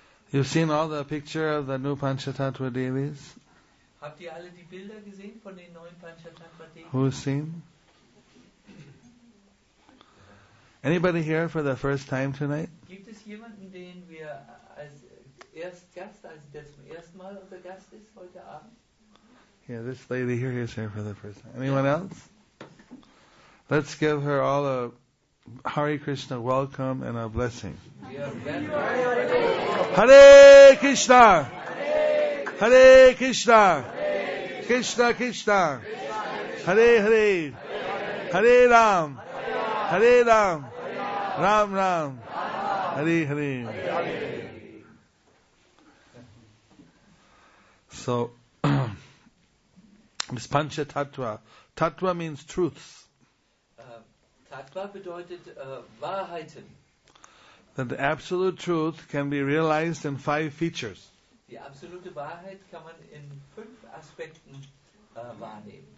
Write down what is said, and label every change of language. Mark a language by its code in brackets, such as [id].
[en] You've seen all the picture of the new Panchatattva devis? [de] Habt ihr alle die Bilder gesehen von den neuen Panchatattva devis? [en] Who's seen? Anybody here for the first time tonight? [de] Gibt es jemanden, den wir als erst Gast, also der zum ersten Mal unser Gast ist heute Abend? [en] Yeah, this lady here is here for the first time. Anyone else? Let's give her all a Hare Krishna welcome and a blessing. [sa] Hare Krishna! Hare Krishna! Krishna Krishna! Hare Hare! Hare Ram! Hare Ram! Ram Ram, Ram. Hare Hare. [en] So this Pancha Tattva. Tattva means truths. [de] Tattva bedeutet Wahrheiten. [en] That the absolute truth can be realized in five features. [de] Die absolute Wahrheit kann man in fünf Aspekten wahrnehmen.